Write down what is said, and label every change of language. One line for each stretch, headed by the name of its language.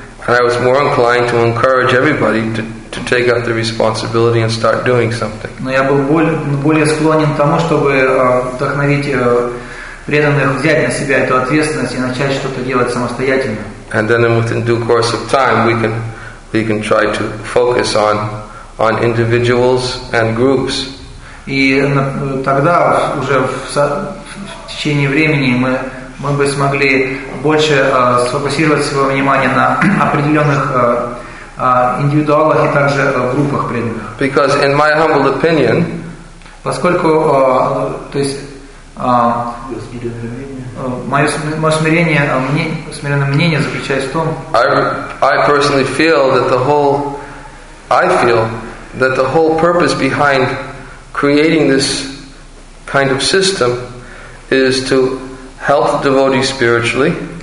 English: And I was more inclined to encourage everybody to take up the responsibility and start doing something.
Russian: Но я был более склонен к тому, чтобы вдохновить преданных взять на себя эту ответственность и начать что-то делать самостоятельно.
English: And then within due course of time we can try to focus on individuals and groups.
Russian: И тогда уже в течение времени мы бы смогли больше сфокусировать свое внимание на определенных индивидуалах и также группах преданных.
English: Because in my humble opinion,
Russian: поскольку, то есть, мое смирение, смиренное мнение заключается в том,
English: I personally feel that the whole purpose behind creating this kind of system is to help devotees spiritually.